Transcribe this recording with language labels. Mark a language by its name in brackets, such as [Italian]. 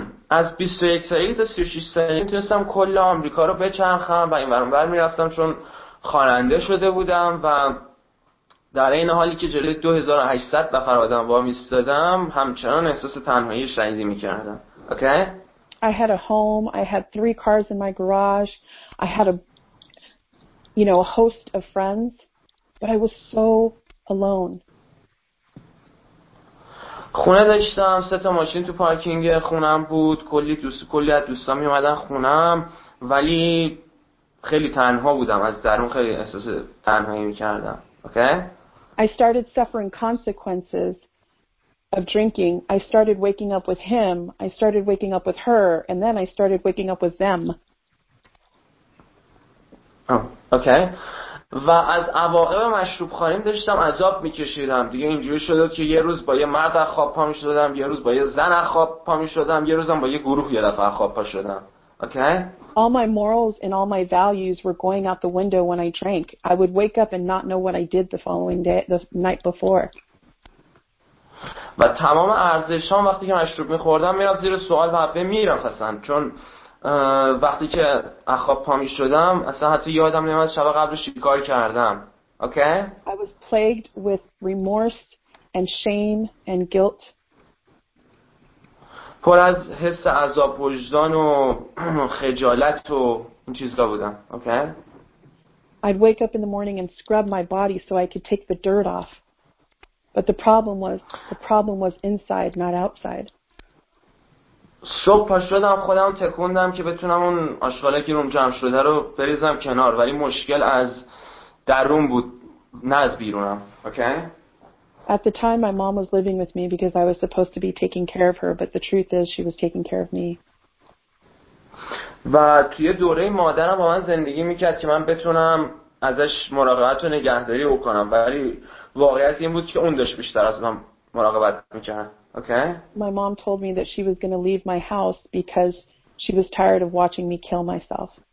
[Persian] از 21 سالگی تا 36 سالگی میتونستم کل آمریکا رو بچرخم و اینور اونور میرفتم چون خواننده شده بودم و در این حالی که جلوی 2800 نفر آدم وامیستادم همچنان احساس تنهایی شدیدی میکردم. [English] Okay? I had a home, I had three cars in my garage, I had a, you know, a host of friends, but I was so alone. [Persian] خونه داشتم، سه تا ماشین تو پارکینگ خونم بود، کلی از دوستان می اومدن خونم، ولی خیلی تنها بودم، از درون خیلی احساس تنهایی می‌کردم. [English] Okay? I started suffering consequences of drinking. I started waking up with him, I started waking up with her, and then I started waking up with them. [Persian] اوکی؟ و از عواقب مشروبخوریم داشتم عذاب میکشیدم. دیگه اینجوری شده که یه روز با یه مرد خواب پا میشدم، یه روز با یه زن خواب پا میشدم، یه روزم با یه گروه یه دفعه خواب پا شدم. [English] Okay? All my morals and all my values were going out the window when I drank. I would wake up and not know what I did the following day, the night before. [Persian] و تمام ارزش‌هام وقتی که مشروب میخوردم میرفت زیر سوال و حبه میرم اصلا، چون وقتی که اخواب پامی شدم اصلا حتی یادم نمیاد شب قبلش چیکار کردم. [English] Okay? I was plagued with remorse and shame and guilt. [Persian] پر از حس عذاب وجدان و خجالت و این چیزا بودم. [English] Okay? I'd wake up in the morning and scrub my body so I could take the dirt off. But the problem was inside, not outside. [Persian] صبح پاشدم خودم تکوندم که بتونم اون آشغالی که روم جمع شده رو بریزم کنار، ولی مشکل از درون بود نه از بیرونم. [English] Okay? At the time my mom was living with me because I was supposed to be taking care of her, but the truth is she was taking care of me. [Persian] و توی دوره مادرم با من زندگی میکرد که من بتونم ازش مراقبت و نگهداری بکنم، ولی واقعیت این بود که اون داشت بیشتر از من مراقبت میکرد. [English] Okay. My mom told me that she was going to leave my house because she was tired of watching me kill myself.